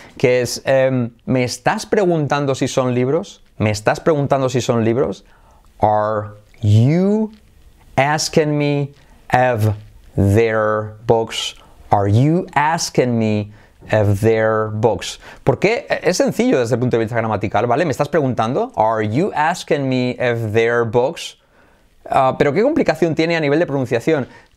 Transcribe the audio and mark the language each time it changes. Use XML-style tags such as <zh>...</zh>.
<es>Que es, ¿me estás preguntando si son libros? ¿Me estás preguntando si son libros?</es> <en>Are you asking me if their books? Are you asking me if their books?</en> <es>Porque es sencillo desde el punto de vista gramatical, ¿vale? Me estás preguntando,</es> <en>are you asking me if their books?</en> <es>Pero ¿qué complicación tiene a nivel de pronunciación?</es>